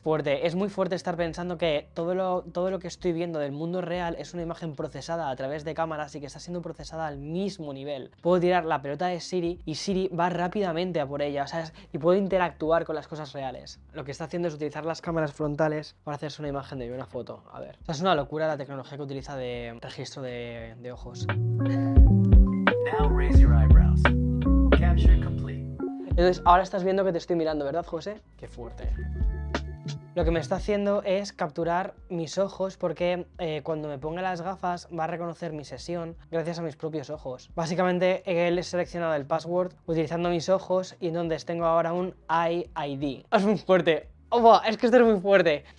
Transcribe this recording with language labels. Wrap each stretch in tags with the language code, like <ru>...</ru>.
<es>Fuerte, es muy fuerte estar pensando que todo lo que estoy viendo del mundo real es una imagen procesada a través de cámaras y que está siendo procesada al mismo nivel. Puedo tirar la pelota de Siri y Siri va rápidamente a por ella, o sea, y puedo interactuar con las cosas reales. Lo que está haciendo es utilizar las cámaras frontales para hacerse una imagen de una foto. A ver. O sea, es una locura la tecnología que utiliza de registro de ojos.</es> <en>Now raise your eyebrows. Capture complete.</en> <es>Entonces, ahora estás viendo que te estoy mirando, ¿verdad, José? Qué fuerte. Lo que me está haciendo es capturar mis ojos porque cuando me ponga las gafas va a reconocer mi sesión gracias a mis propios ojos. Básicamente, él ha seleccionado el password utilizando mis ojos y entonces tengo ahora un Eye ID. ¡Es muy fuerte! ¡Oh, wow! ¡Es que esto es muy fuerte!</es>